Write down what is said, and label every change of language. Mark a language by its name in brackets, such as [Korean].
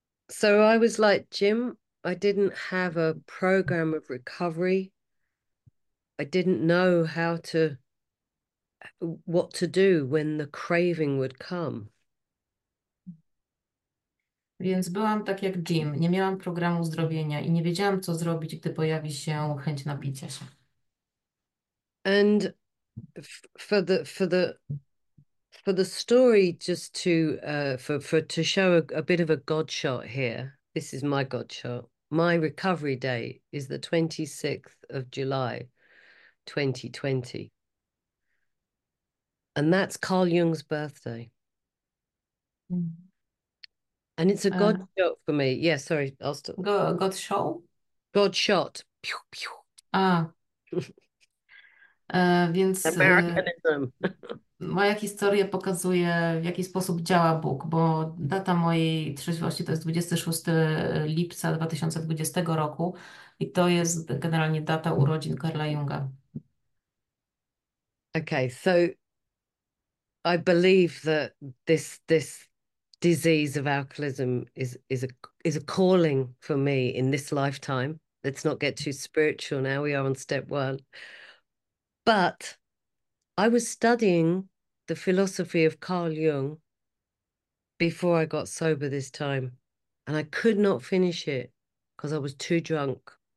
[English] So I was like Jim, I didn't have a program of recovery. I didn't know how to what to do when the craving would come. [Polish] Więc byłam tak jak Jim, nie miałam programu uzdrowienia i nie wiedziałam, co zrobić, gdy pojawi się chęć napicia się. [English] And for the story, just to for to show a bit of a God shot here. This is my God shot. My recovery day is the 26th of July, 2020, and that's Carl Jung's birthday. And it's a God shot for me. Yeah, sorry, I'll stop. Got show? God shot. Pew, [Polish] Więc [English] Americanism. [Polish] moja historia pokazuje, w jaki sposób działa Bóg, bo data mojej trzeźwości to jest 26 lipca 2020 roku i to jest generalnie data urodzin Carla Junga. [English] Okay, so I believe that this disease of alcoholism is a calling for me in this lifetime. Let's not get too spiritual now. We are on step one. But I was studying the philosophy of Carl Jung before I got sober this time, and I could not finish it because I was too drunk.